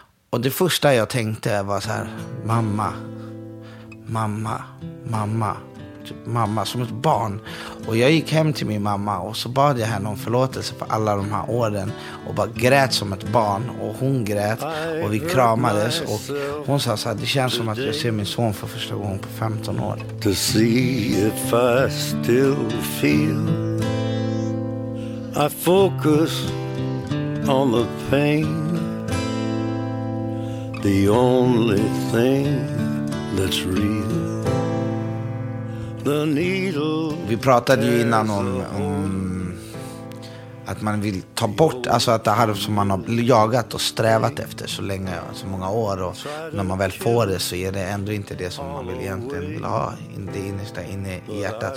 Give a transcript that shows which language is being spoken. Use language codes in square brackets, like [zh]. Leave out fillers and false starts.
[sv] Och det första jag tänkte var så här, mamma, mamma, mamma, mamma, som ett barn. Och jag gick hem till min mamma och så bad jag henne om förlåtelse för alla de här åren. Och bara grät som ett barn, och hon grät och vi kramades. Och hon sa så här, det känns som att jag ser min son för första gången på 15 år. [en] To see if I still feel I focus on the pain, the only thing that's real. The needle. [sv] Vi pratade ju innan om att man vill ta bort, alltså att det här som man har jagat och strävat efter så länge, så många år, och när man väl får det så är det ändå inte det som man vill egentligen vill ha in det innersta inne i hjärtat.